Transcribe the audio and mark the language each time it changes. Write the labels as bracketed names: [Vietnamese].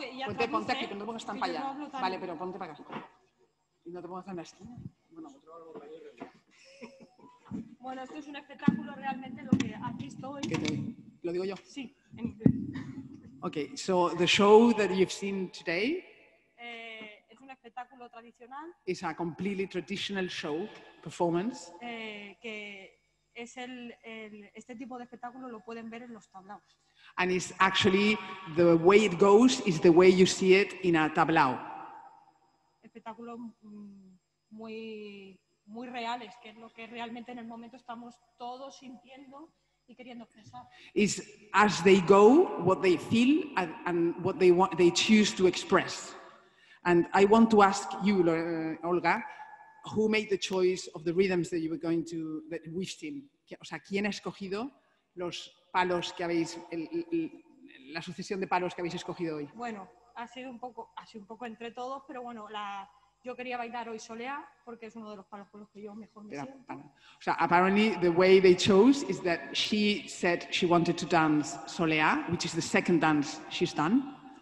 [Spanish] Ya ponte aquí, que no te pongas tan para allá. Vale, pero ponte para acá. Y no te pongas en la esquina. Bueno, esto es un espectáculo realmente lo que aquí estoy. ¿Qué te digo? ¿Lo digo yo? Sí, en inglés. [English] Okay, so the show that you've seen today [Spanish] es un espectáculo tradicional. [English] Is a completely traditional show performance. [Spanish] Que es este tipo de espectáculo lo pueden ver en los tablaos. [English] And it's actually the way it goes is the way you see it in a tablao. [Spanish] Espectáculos muy, muy reales, que es lo que realmente en el momento estamos todos sintiendo. [English] Is as they go, what they feel and what they want, they choose to express. And I want to ask you, Olga, who made the choice of the rhythms that you were going to, that we've seen? [Spanish] O sea, ¿quién ha escogido los palos que habéis, la sucesión de palos que habéis escogido hoy? Bueno, ha sido un poco entre todos, pero bueno, yo quería bailar hoy soleá porque es uno de los palos con los que yo mejor me siento. [English] So apparently the way they chose is that she said she wanted to dance soleá, which is the second dance she's done.